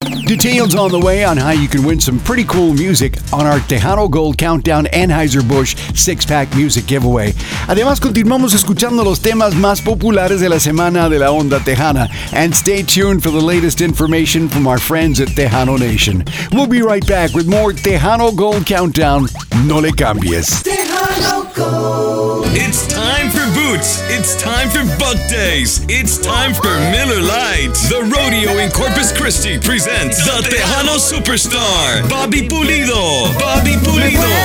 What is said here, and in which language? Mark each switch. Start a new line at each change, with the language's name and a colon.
English: Details on the way on how you can win some pretty cool music on our Tejano Gold Countdown Anheuser-Busch 6-Pack Music Giveaway.
Spanish: Además, continuamos escuchando los temas más populares de la semana de la Onda Tejana.
English: And stay tuned for the latest information from our friends at Tejano Nation. We'll be right back with more Tejano Gold Countdown.
Spanish: No le cambies.
English: It's time for boots. It's time for buck days. It's time for Miller Lite. The rodeo in Corpus Christi presents the Tejano Superstar, Bobby Pulido. Bobby Pulido.